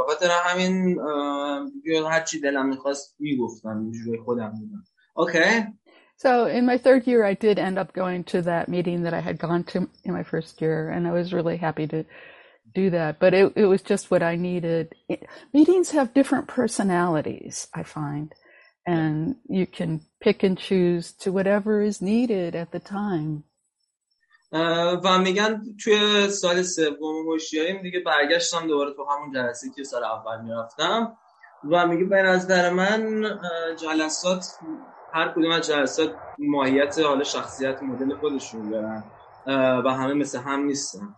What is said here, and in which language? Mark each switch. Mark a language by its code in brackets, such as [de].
[fa] با خاطر همین هرچی دلم میخواست میگفتم اینجوری خودم بودم. [en] Okay. So in my third year I did end up going to that meeting that I had gone to in my first year and I was really happy to do that, but it was just what I needed. Meetings have different personalities, I find, and you can pick and choose to whatever is needed at the time. [fa] و میگن توی سال سوم هوشیاریم دیگه برگشتم دوباره تو همون جلسه که سال اول میرفتم و میگه به نظر من جلسات هر کدوم از جلسات ماهیت حال شخصیت مدل خودشون دارن و همه مثل هم نیستن.